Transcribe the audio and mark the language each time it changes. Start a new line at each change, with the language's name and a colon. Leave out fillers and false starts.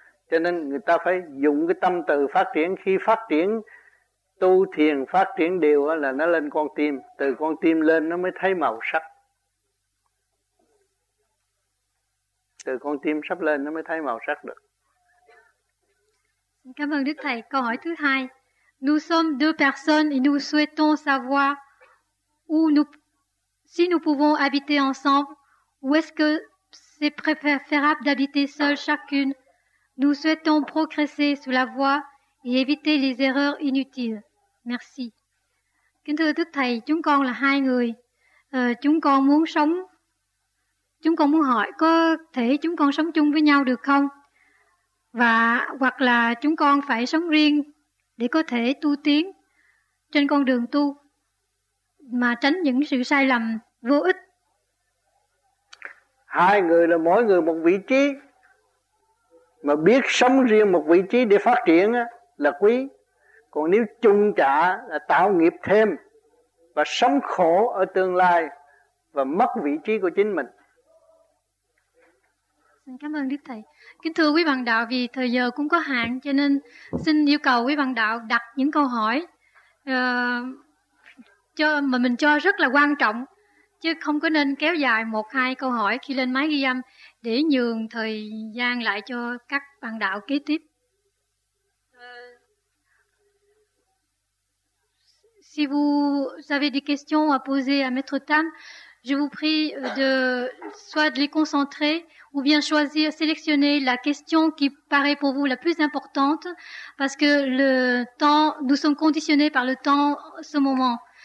Vietnamese: Cho nên người ta phải dùng cái tâm từ phát triển. Khi phát triển tu thiền, phát triển đều là nó lên con tim. Từ con tim lên nó mới thấy màu sắc. Từ con tim sắp lên nó mới thấy màu sắc được. Cảm ơn Đức Thầy. Câu hỏi thứ hai.
French: Nous sommes deux personnes et nous souhaitons savoir où nous... Si nous pouvons habiter ensemble, ou est-ce que c'est préférable d'habiter seul chacune? Nous souhaitons progresser sur la voie et éviter les erreurs inutiles. Merci.
Vietnamese: Kính thưa Đức Thầy, chúng con là hai người. Chúng con muốn sống. Chúng con muốn hỏi có thể chúng con sống chung với nhau được không? Và hoặc là chúng con phải sống riêng để có thể tu tiến trên con đường tu, mà tránh những sự sai lầm vô ích. Hai người là mỗi người một vị trí, mà biết sống riêng một vị trí để phát triển là quý. Còn nếu chung chạ là tạo nghiệp thêm và sống khổ ở tương lai và mất vị trí của chính mình. Xin cảm ơn Đức Thầy. Kính thưa quý bạn đạo, vì thời giờ cũng có hạn cho nên xin yêu cầu quý bạn đạo đặt những câu hỏi cho mà mình cho rất là quan trọng, chứ không có nên kéo dài một hai câu hỏi khi lên máy ghi âm, để nhường thời gian lại cho các bạn đạo kế tiếp.
French: Si vous avez des questions à poser à Maître Tam, je vous prie de soit de les concentrer ou bien choisir, sélectionner la question qui paraît pour vous la plus importante, parce que le temps, nous sommes conditionnés par le temps ce moment.